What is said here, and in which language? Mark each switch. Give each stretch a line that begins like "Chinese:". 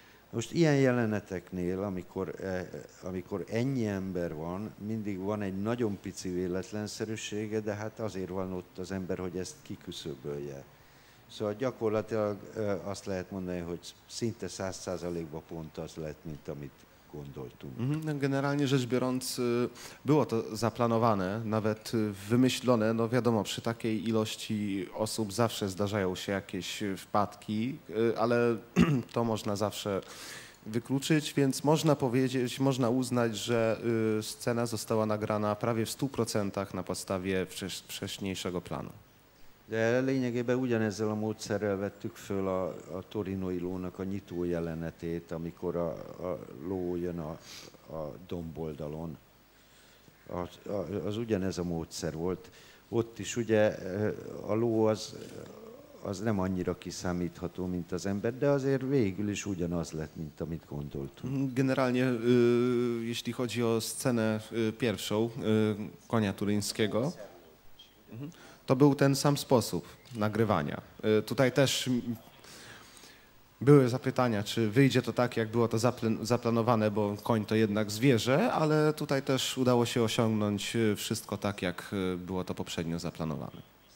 Hungarian: Most ilyen jeleneteknél, amikor ennyi ember van, mindig van egy nagyon pici véletlenszerűsége, de hát azért van ott az ember, hogy ezt kiküszöbölje. Szóval gyakorlatilag azt lehet mondani, hogy szinte 100%-ba pont az lett, mint amit gondoltunk.
Polish: Generalnie rzecz biorąc było to zaplanowane, nawet wymyślone. No wiadomo, przy takiej ilości osób zawsze zdarzają się jakieś wpadki, ale to można zawsze wykluczyć, więc można powiedzieć, można uznać, że scena została nagrana prawie w 100% na podstawie wcześniejszego planu.
Hungarian: De lényegében ugyanezzel a módszerrel vettük föl a torinói lónak a nyitó jelenetét, amikor a ló jön a domboldalon. Az ugyanez a módszer volt. Ott is ugye a ló az nem annyira kiszámítható, mint az ember, de azért végül is ugyanaz lett, mint amit gondoltunk.
Polish: Generálnie, jeśli chodzi o scenę pierwszą, konia turyńskiego, to był ten sam sposób nagrywania. Tutaj też były zapytania, czy wyjdzie to tak, jak było to zaplanowane, bo koń to jednak zwierzę, ale tutaj też udało się osiągnąć wszystko tak, jak było to poprzednio zaplanowane.